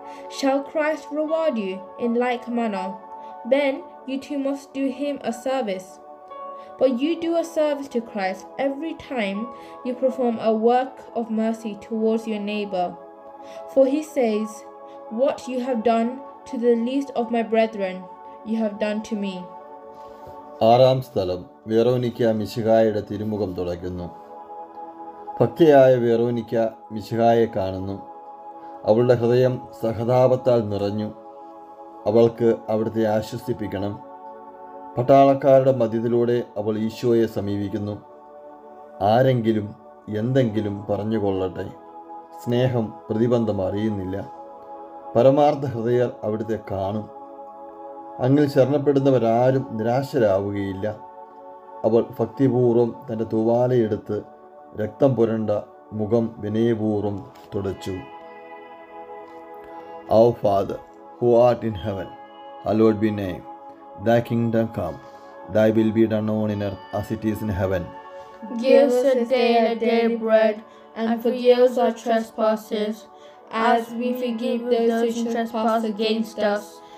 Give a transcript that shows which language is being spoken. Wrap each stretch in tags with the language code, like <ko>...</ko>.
<en>Shall Christ reward you in like manner? Then you too must do him a service. But you do a service to Christ every time you perform a work of mercy towards your neighbor. For he says, what you have done to the least of my brethren, you have done to me.</en> <ml>ആറാം സ്ഥലം Veronica മിശിഹായുടെ തിരുമുഖം തുടയ്ക്കുന്നു. പക്കയായ Veronica മിശിഹായെ കാണുന്നു. അവളുടെ ഹൃദയം സഹതാപത്താൽ നിറഞ്ഞു. അവൾക്ക് അവിടുത്തെ ആശ്വസിപ്പിക്കണം. പട്ടാളക്കാരുടെ മധ്യത്തിലൂടെ അവൾ ഈശോയെ സമീപിക്കുന്നു. ആരെങ്കിലും എന്തെങ്കിലും പറഞ്ഞുകൊള്ളട്ടെ, സ്നേഹം പ്രതിബന്ധം അറിയുന്നില്ല. പരമാർത്ഥ ഹൃദയർ അവിടുത്തെ കാണും. അങ്ങിൽ ശരണപ്പെടുന്നവരാരും നിരാശരാവുകയില്ല. അവൾ ഭക്തിപൂർവ്വം തൻ്റെ തൂവാലയെടുത്ത് രക്തം പുരണ്ട മുഖം വിനയപൂർവ്വം തുടച്ചു.</ml> <en>Our Father, who art in heaven, hallowed be name. Thy kingdom come, thy will be done on earth as it is in heaven. Give us today our daily bread, and forgive us our trespasses, as we forgive those who trespass against us.</en>